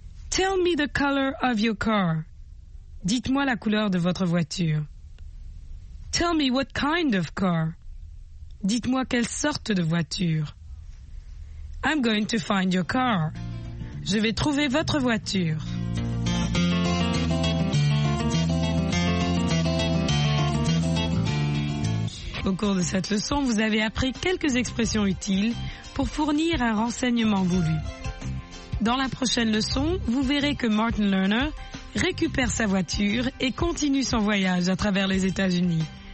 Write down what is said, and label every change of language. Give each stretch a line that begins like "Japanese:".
English: Tell me the color of your car.
French: Dites-moi la couleur de votre voiture.
English: Tell me what kind of car.
French: Dites-moi quelle sorte de voiture.
English: I'm going to find your car.
French: Je vais trouver votre voiture. Au cours de cette leçon, vous avez appris quelques expressions utiles pour fournir un renseignement voulu. Dans la prochaine leçon, vous verrez que Martin Lerner récupère sa voiture et continue son voyage à travers les États-Unis.